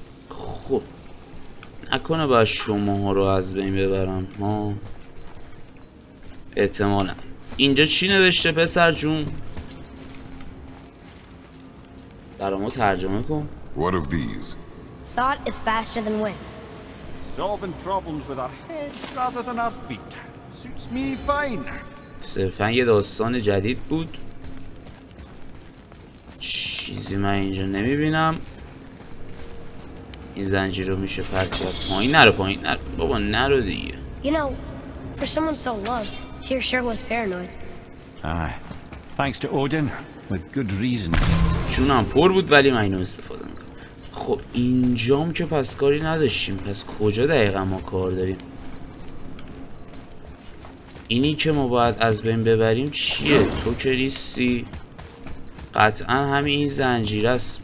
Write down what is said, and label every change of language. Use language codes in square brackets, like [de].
[fa] خب نکنه باید شما ها رو از بین ببرم ها؟ احتمالا. اینجا چی نوشته پسر جون؟ برام ترجمه کن. [en] What of these? Thought is faster than wind. Solving problems with our heads rather than our feet suits me fine. [fa] صرفاً یه داستان جدید بود. چیزی من اینجا نمیبینم. این زنجیر رو میشه پرچه. پایین نرو، پایین نرو بابا، نرو دیگه. [en] You know, for someone so loved, Tyr sure was paranoid. Aye, thanks to Odin, with good reason. [fa] جونم پر بود ولی من اینو استفاده میکنم. خب اینجام که پس کاری نداشتیم، پس کجا دقیقا ما کار داریم؟ اینی که ما باید از بین ببریم چیه؟ تو که نیستی؟ قطعا همین این زنجیره است.